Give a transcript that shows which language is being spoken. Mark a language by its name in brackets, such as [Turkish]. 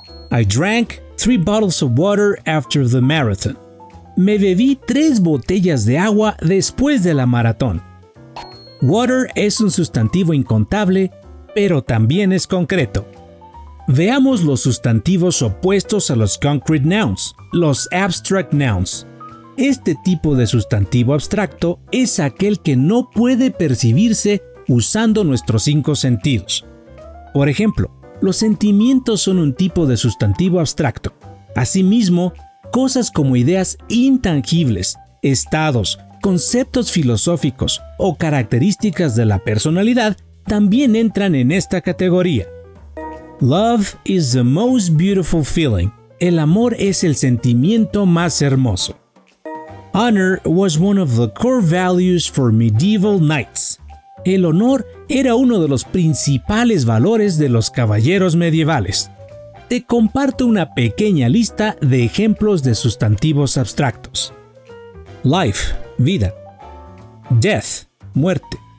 [English] I drank 3 bottles of water after the marathon. [Spanish] Me bebí 3 botellas de agua después de la maratón. Water es un sustantivo incontable, pero también es concreto. Veamos los sustantivos opuestos a los concrete nouns, los abstract nouns. Este tipo de sustantivo abstracto es aquel que no puede percibirse usando nuestros 5 sentidos. Por ejemplo, los sentimientos son un tipo de sustantivo abstracto. Asimismo, cosas como ideas intangibles, estados, conceptos filosóficos o características de la personalidad también entran en esta categoría. [English] Love is the most beautiful feeling. [Spanish] El amor es el sentimiento más hermoso. [English] Honor was one of the core values for medieval knights. [Spanish] El honor era uno de los principales valores de los caballeros medievales. Te comparto una pequeña lista de ejemplos de sustantivos abstractos. Life, vida. Death, muerte.